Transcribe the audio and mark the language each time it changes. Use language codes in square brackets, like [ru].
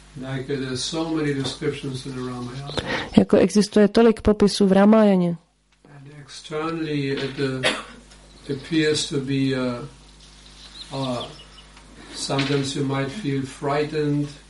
[en] Like there's so many descriptions in the Ramayana. [cs] Jako existuje tolik popisů v Ramayaně. [en] And externally it appears to be sometimes you might feel frightened.